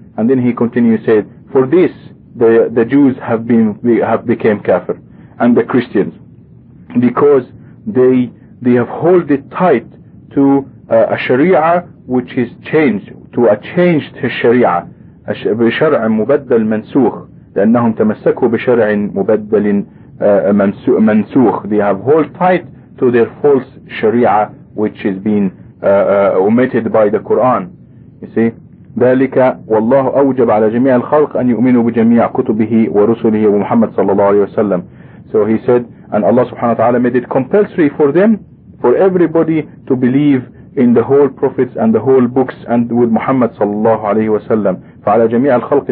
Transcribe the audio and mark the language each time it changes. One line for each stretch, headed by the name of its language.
English: And then he continued, said, for this the Jews have become kafir, and the Christians, because they have held it tight to a sharia which is changed, to a changed sharia,
Arabic: بشرع مبدل منسوخ, لأنهم تمسكوا بشرع مبدل منسوخ.
English: They have held tight to their false sharia which has been omitted by the Quran. You see,
Arabic: ذلك والله أوجب على جميع الخلق أن يؤمنوا بجميع كتبه ورسله ومحمد صلى الله عليه وسلم.
English: So he said, and Allah subhanahu wa ta'ala made it compulsory for them, for everybody, to believe in the whole prophets and the whole books and with Muhammad sallallahu alayhi wa sallam.